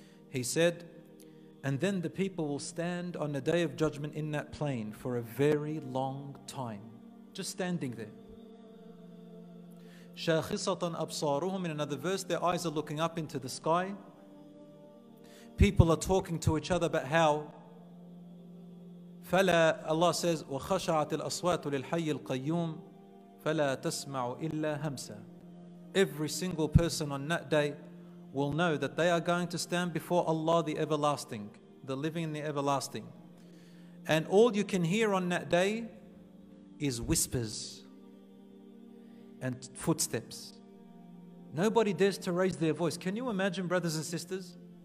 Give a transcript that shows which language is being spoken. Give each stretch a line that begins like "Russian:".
English: He said, and then the people will stand on the Day of Judgment in that plain for a very long time. Just standing there.
Arabic: شَاخِصَةً أَبْصَارُهُمْ.
English: In another verse, their eyes are looking up into the sky. People are talking to each other, but how?
Arabic: فَلَا,
English: Allah says,
Arabic: وَخَشَعَتِ الْأَصْوَاتُ لِلْحَيِّ الْقَيُّومِ فَلَا تَسْمَعُ إِلَّا هَمْسًا.
English: Every single person on that day will know that they are going to stand before Allah the Everlasting, the Living and the Everlasting. And all you can hear on that day is whispers and footsteps. Nobody dares to raise their voice. Can you imagine, brothers and sisters?